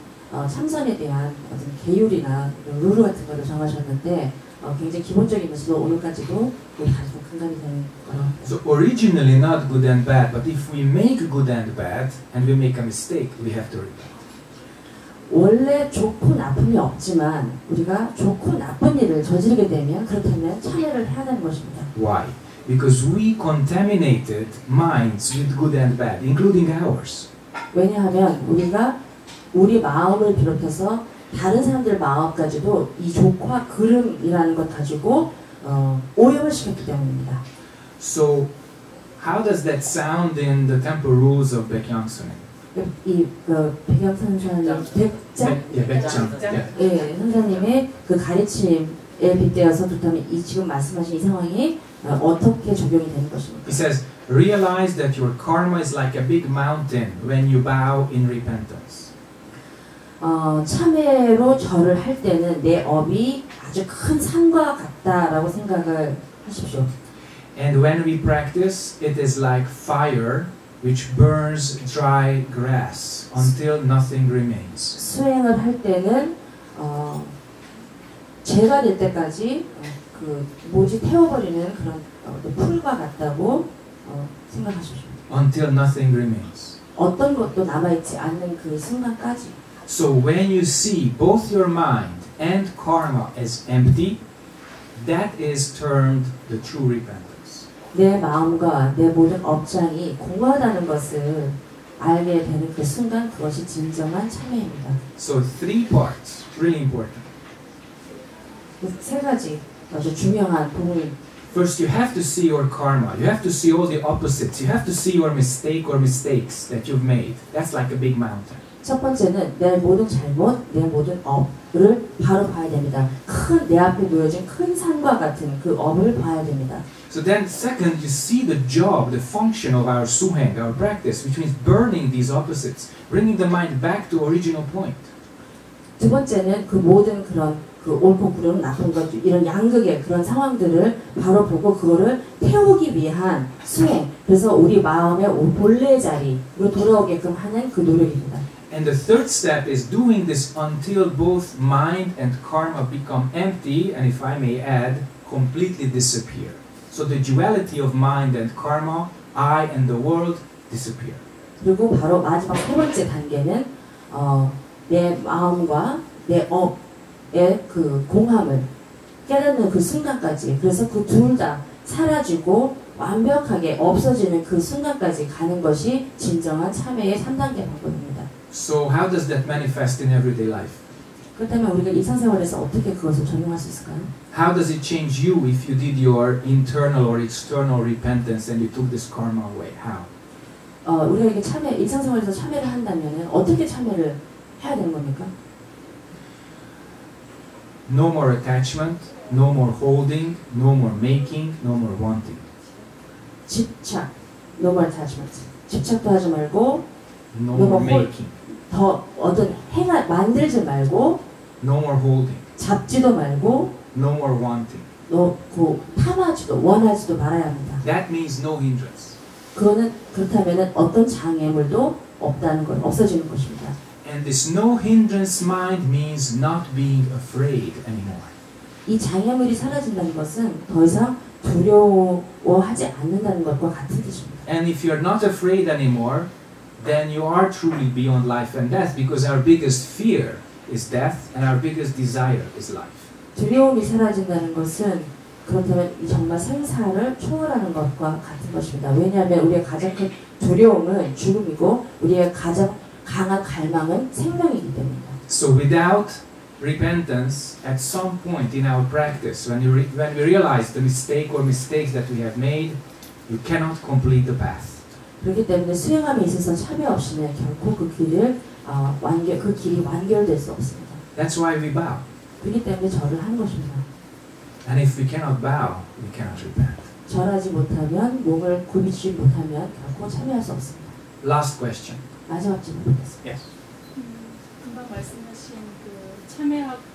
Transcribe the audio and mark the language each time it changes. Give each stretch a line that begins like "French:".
Korean: 참선에 대한 어떤 계율이나 룰 같은 거를 정하셨는데 굉장히 기본적인 것으로 오늘까지도 다소 간간이 되는 거라고.
English: So originally not good and bad, but if we make good and bad and we make a mistake, we have to repent.
Korean: 원래 좋고 나쁨이 없지만 우리가 좋고 나쁜 일을 저지르게 되면 그렇다면 참회를 해야 되는 것입니다.
English: Why? Because we contaminated minds with good and bad, including ours.
Korean: 왜냐하면 우리가 우리 마음을 비롯해서 다른 사람들 마음까지도 이 족화 그름이라는 것 가지고 오염을 시켰기 때문입니다.
English: So, how does that sound in the temple rules of Baek Young Sunim?
Korean: 이 백양 선생님 백장 예 선생님의 그 가르침에 빗대어서 그렇다면 이 지금 말씀하신 이 상황이 어떻게 적용이 되는 것입니까?
English: He says, realize that your karma is like a big mountain when you bow in repentance.
Korean: 참회로 절을 할 때는 내 업이 아주 큰 산과 같다라고 생각을 하십시오.
English: And when we practice, it is like fire which burns dry grass until nothing remains.
Korean: 수행을 할 때는 재가 될 때까지 그 뭐지 태워버리는 그런 풀과 같다고 생각하십시오.
English: Until nothing remains.
Korean: 어떤 것도 남아있지 않는 그 순간까지.
English: So when you see both your mind and karma as empty, that is termed the true repentance.
Korean: 내 마음과 내 모든 업장이 공허하다는 것을 알게 되는 그 순간 그것이 진정한 참회입니다.
English: So three parts, really important.
Korean: 세 가지 아주 중요한 부분.
English: First, you have to see your karma. You have to see all the opposites. You have to see your mistake or mistakes that you've made. That's like a big mountain.
Korean: 첫 번째는 내 모든 잘못, 내 모든 업을 바로 봐야 됩니다. 큰 내 앞에 놓여진 큰 산과 같은 그 업을 봐야 됩니다.
English: So then second, you see the job, the function of our suheng, our practice, which means burning these opposites, bringing the mind back to original point.
Korean: 두 번째는 그 모든 그런 그 옳고 그름, 나쁜 것, 이런 양극의 그런 상황들을 바로 보고 그거를 태우기 위한 수행, 그래서 우리 마음의 본래 자리로 돌아오게끔 하는 그 노력입니다.
English: And the third step is doing this until both mind and karma become empty, and if I may add, completely disappear. So the duality of mind and karma, I and the world, disappear.
Korean: 그리고 바로 마지막 세 번째 단계는 내 마음과 내 업의 그 공함을 깨닫는 그 순간까지, 그래서 그 둘 다 사라지고 완벽하게 없어지는 그 순간까지 가는 것이 진정한 참회의 3단계 방법입니다.
English: So how does that manifest in everyday life?
Korean: 그렇다면 우리가 일상생활에서 어떻게 그것을 적용할 수 있을까요?
English: How does it change you if you did your internal or external repentance and you took this karma away? How?
Korean: 우리가 이렇게 참회 일상생활에서 참회를 한다면은 어떻게 참회를 해야 되는 겁니까?
English: No more attachment, no more holding, no more making, no more wanting.
Korean: 집착,
English: no more attachment.
Korean: 집착도 하지 말고
English: No more making.
Korean: 더 어떤 행하 만들지 말고.
English: No more holding.
Korean: 잡지도 말고.
English: No more wanting.
Korean: 놓고 탐하지도 원하지도 말아야 합니다.
English: That means no hindrance.
Korean: 그거는 그렇다면은 어떤 장애물도 없다는 것, 없어지는 것입니다.
English: And this no hindrance mind means not being afraid anymore.
Korean: 이 장애물이 사라진다는 것은 더 이상 두려워하지 않는다는 것과 같은 뜻입니다.
English: And if you're not afraid anymore. Then you are truly beyond life and death because our biggest fear is death and our biggest desire is life.
Korean: 두려움이 사라진다는 것은 그렇다면 정말 생사를 초월하는 것과 같은 것입니다. 왜냐하면 우리의 가장 큰 두려움은 죽음이고 우리의 가장 강한 갈망은 생명이기 때문입니다.
English: So without repentance, at some point in our practice, when we realize the mistake or mistakes that we have made, you cannot complete the path.
Korean: 그렇기 때문에 수행함에 있어서 참여 없이는 결코 그 길을 그 길이 완결될 수 없습니다.
English: That's why we bow.
Korean: 그렇기 때문에 절을 하는 것입니다.
English: And if we cannot bow, we cannot repent.
Korean: 절하지 못하면 몸을 굽히지 못하면 결코 참여할 수 없습니다.
English: Last question.
Korean: 마지막 질문 보겠습니다.
English: Yes.
Korean: 금방 말씀하신 그 참여학